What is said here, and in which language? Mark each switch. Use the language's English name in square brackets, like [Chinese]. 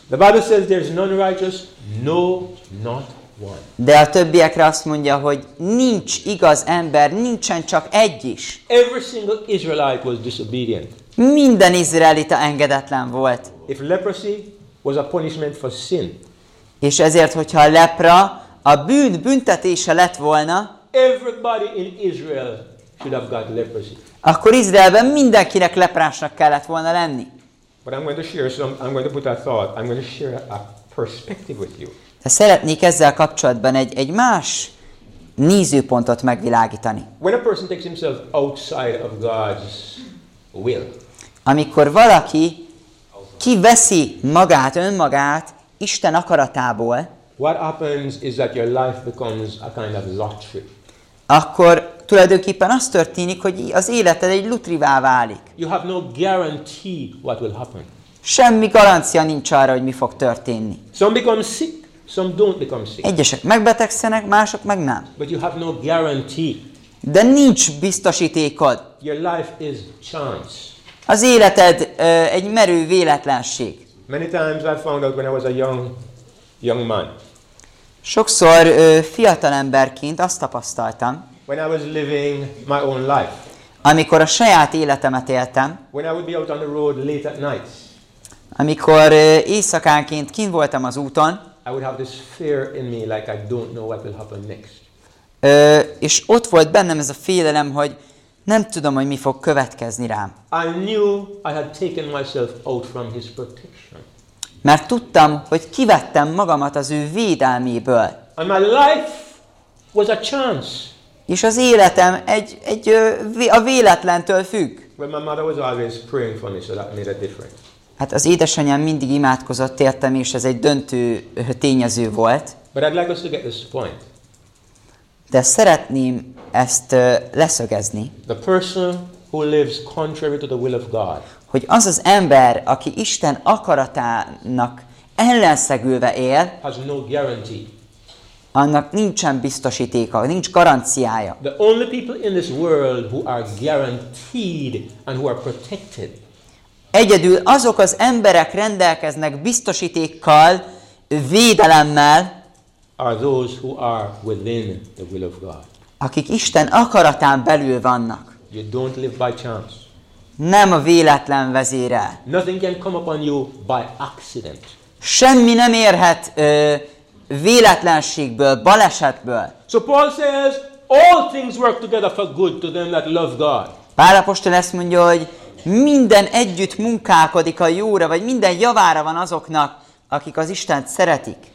[English] The Bible says there's none righteous, no, not one. [Hungarian] De a többiekre azt mondja, hogy nincs igaz ember, nincsen csak egy is. [English] Every single Israelite was disobedient. [Hungarian] Minden izraelita engedetlen volt. [English] If leprosy was a punishment for sin. [Hungarian] És ezért, hogyha a lepra a bűn büntetése lett volna, [English] everybody in Israel should have got leprosy. [Hungarian] Akkor Izraelben mindenkinek leprásnak kellett volna lenni. [English] But I'm going to share some, I'm going to put a thought, I'm going to share a perspective with you. [Hungarian] De szeretnék ezzel kapcsolatban egy más nézőpontot megvilágítani. [English] When a person takes himself outside of God's will. [Hungarian] Amikor valaki kiveszi magát, önmagát Isten akaratából, [English] what happens is that your life becomes a kind of lottery. [Hungarian] Akkor tulajdonképpen az történik, hogy az életed egy lutrivá válik. [English] You have no guarantee what will happen. [Hungarian] Semmi garancia nincs arra, hogy mi fog történni. [English] Some become sick, some don't become sick. [Hungarian] Egyesek megbetegszenek, mások meg nem. [English] But you have no guarantee. [Hungarian] De nincs biztosítékod. [English] Your life is chance. [Hungarian] Az életed egy merő véletlenség. [English] Many times I found out when I was a young man. [Hungarian] Sokszor fiatal emberként azt tapasztaltam. [English] When I was living my own life. [Hungarian] Amikor a saját életemet éltem. [English] When I would be out on the road late at night. [Hungarian] Amikor éjszakánként kint voltam az úton. [English] I would have this fear in me, like I don't know what will happen next. [Hungarian] És ott volt bennem ez a félelem, hogy nem tudom, hogy mi fog következni rám. [English] I knew I had taken myself out from his protection. [Hungarian] Mert tudtam, hogy kivettem magamat az ő védelméből. [English] And my life was a chance. [Hungarian] És az életem a véletlentől függ. [English] Well, my mother was always praying for me, so that made a difference. [Hungarian] Hát az édesanyám mindig imádkozott értem, és ez egy döntő tényező volt. [English] But I'd like us to get this point. [Hungarian] De szeretném ezt leszögezni. [English] The person who lives contrary to the will of God. [Hungarian] Hogy az az ember, aki Isten akaratának ellenszegülve él, [English] has no guarantee. [Hungarian] Annak nincsen biztosítéka, nincs garanciája. [English] The only people in this world who are guaranteed and who are protected. [Hungarian] Egyedül azok az emberek rendelkeznek biztosítékkal, védelemmel, [English] are those who are within the will of God. [Hungarian] Akik Isten akaratán belül vannak. [English] You don't live by chance. [Hungarian] Nem a véletlen vezére. [English] Nothing can come upon you by accident. [Hungarian] Semmi nem érhet véletlenségből, balesetből. [English] So Paul says, all things work together for good to them that love God. [Hungarian] Pál apostol ezt mondja, hogy minden együtt munkálkodik a jóra, vagy minden javára van azoknak, akik az Istent szeretik.